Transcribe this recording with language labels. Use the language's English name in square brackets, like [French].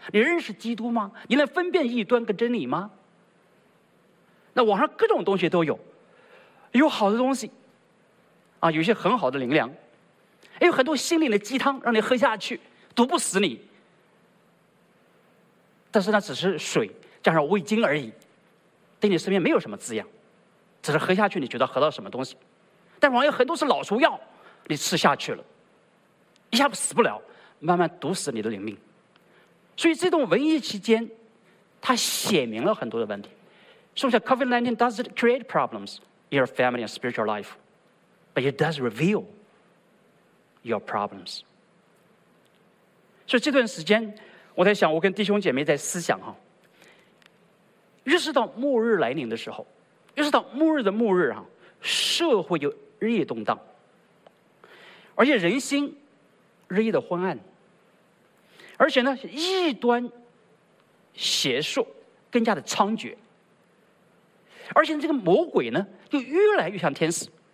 [Chinese] 你认识基督吗？你能分辨异端跟真理吗？那网上各种东西都有，有好的东西啊，有些很好的灵粮，有很多心灵的鸡汤让你喝下去毒不死你，但是那只是水加上味精而已，对你身边没有什么滋养，只是喝下去你觉得喝到什么东西。但网上有很多是老鼠药，你吃下去了一下子死不了，慢慢毒死你的灵命。所以这种瘟疫期间它显明了很多的问题，是不是 [English] COVID-19 does it create problems in your family and spiritual life, but it does reveal your problems. [Chinese] 所以这段时间我在想，我跟弟兄姐妹在思想哈，越是到末日来临的时候，越是到末日的末日哈，社会就日益动荡，而且人心日益的昏暗，而且呢异端邪术更加的猖獗，而且这个魔鬼呢就越来越像天使，